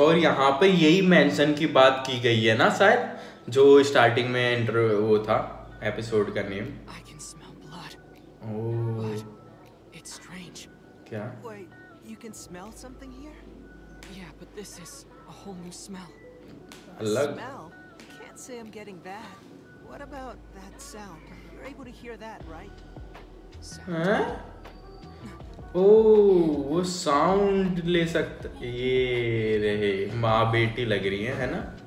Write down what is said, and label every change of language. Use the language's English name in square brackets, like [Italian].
[Hindi] और यहाँ पे यही मेंशन की बात की गई है ना शायद, जो स्टार्टिंग में इंटरव्यू वो था एपिसोड का name. [English] I can smell blood. Oh. It's strange. क्या? Wait, you can smell something here? Yeah, but this is a whole new smell. [Hindi] अलग? Smell? [English] Can't say I'm getting that. What about that sound? You're able to hear that, right? Sound? Huh? [Hindi] Oh, वो sound ले सकता। ये रहे माँ बेटी लग रही है ना?